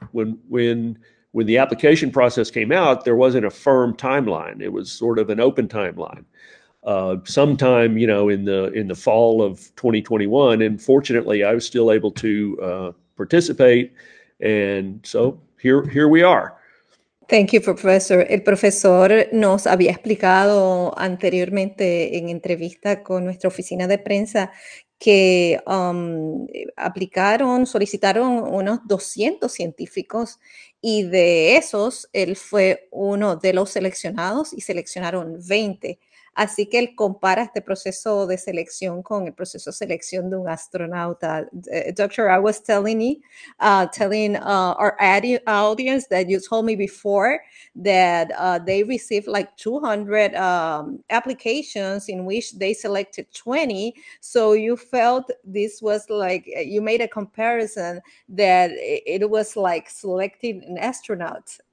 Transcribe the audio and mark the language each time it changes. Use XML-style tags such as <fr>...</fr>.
<en>When the application process came out, there wasn't a firm timeline. It was sort of an open timeline. Sometime, you know, in the fall of 2021. And fortunately, I was still able to participate. And so here we are. Thank you, Professor.</en> <es>El profesor nos había explicado anteriormente en entrevista con nuestra oficina de prensa que solicitaron unos 200 científicos, y de esos, él fue uno de los seleccionados y seleccionaron 20. Así que él compara este proceso de selección con el proceso de selección de un astronauta.</es> <en>Doctor, I was telling our audience that you told me before that they received like 200 applications in which they selected 20. So you felt this was like, you made a comparison that it was like selecting an astronaut.</en>